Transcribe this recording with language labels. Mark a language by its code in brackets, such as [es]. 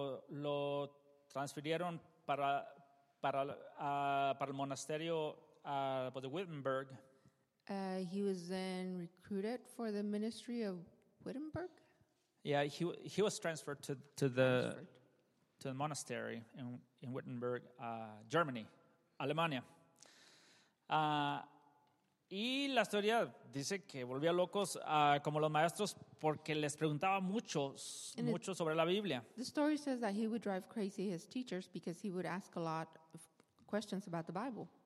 [es] Lo transfirieron para el monasterio pues de Wittenberg. [en] He was then recruited for the ministry of Wittenberg. Yeah, he was transferred to the monastery in Wittenberg, Germany, Alemania. [es] Y la historia dice que volvía locos como los maestros porque les preguntaba mucho sobre la Biblia. [en] The story says that he would drive crazy his teachers because he would ask a lot of questions about the Bible.